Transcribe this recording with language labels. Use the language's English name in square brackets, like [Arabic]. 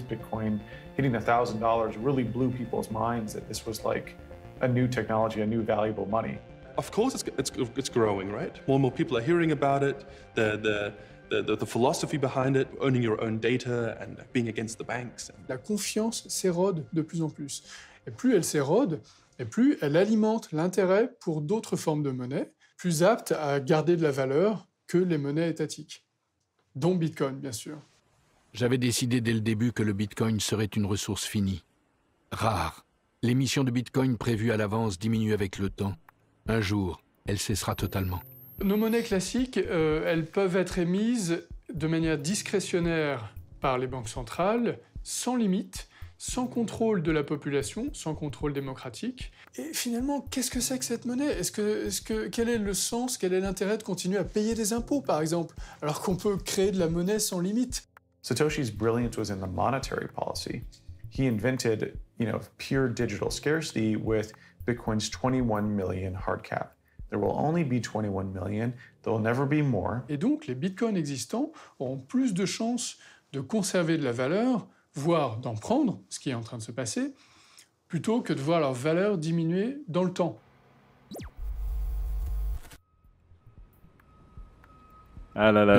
[English] Bitcoin hitting $1,000 really blew people's minds that this was like a new technology, a new valuable money. Of course, it's growing, right? More and more people are hearing about it. The philosophy behind it, owning your own data and being against the banks. [French] La confiance s'érode de plus en plus. Et plus elle s'érode, et plus elle alimente l'intérêt pour d'autres formes de monnaie, plus aptes à garder de la valeur que les monnaies étatiques, dont Bitcoin, bien sûr. J'avais décidé dès le début que le Bitcoin serait une ressource finie, rare. L'émission de Bitcoin prévue à l'avance diminue avec le temps. Un jour, elle cessera totalement. Nos monnaies classiques, elles peuvent être émises de manière discrétionnaire par les banques centrales, sans limite, sans contrôle de la population, sans contrôle démocratique. Et finalement, qu'est-ce que c'est que cette monnaie ? Quel est le sens, quel est l'intérêt de continuer à payer des impôts, par exemple, alors qu'on peut créer de la monnaie sans limite ? [English] Satoshi's brilliance was in the monetary policy. He invented, you know, pure digital scarcity with Bitcoin's 21 million hard cap. There will only be 21 million, there will never be more. [French] Et donc, les bitcoins existants auront plus de chances de conserver de la valeur, voire d'en prendre, ce qui est en train de se passer, plutôt que de voir leur valeur diminuer dans le temps. Ah là là